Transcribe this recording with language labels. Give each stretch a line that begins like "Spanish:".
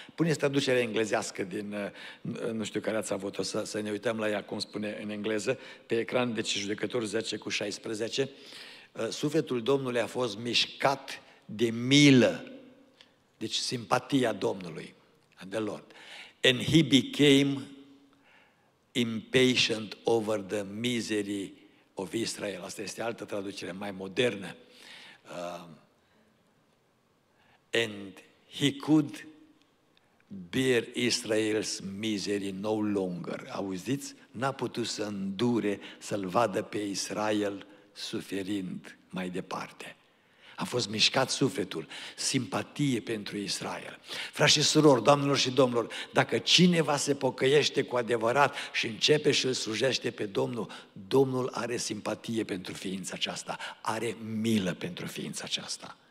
Romanian: Puneți traducerea englezească din, nu știu care ați avut-o, să ne uităm la ea, cum spune în engleză, pe ecran, deci judecător 10:16. Sufletul Domnului a fost mișcat de milă, deci simpatia Domnului, the Lord.
English: And he became impatient over the misery of Israel.
Romanian: Asta este altă traducere, mai modernă.
English: And he could bear Israel's misery no longer.
Romanian: Auziți? N-a putut să îndure să-l vadă pe Israel suferind mai departe. A fost mișcat sufletul, simpatie pentru Israel. Frați și surori, doamnelor și domnilor, dacă cineva se pocăiește cu adevărat și începe și îl slujește pe Domnul, Domnul are simpatie pentru ființa aceasta, are milă pentru ființa aceasta.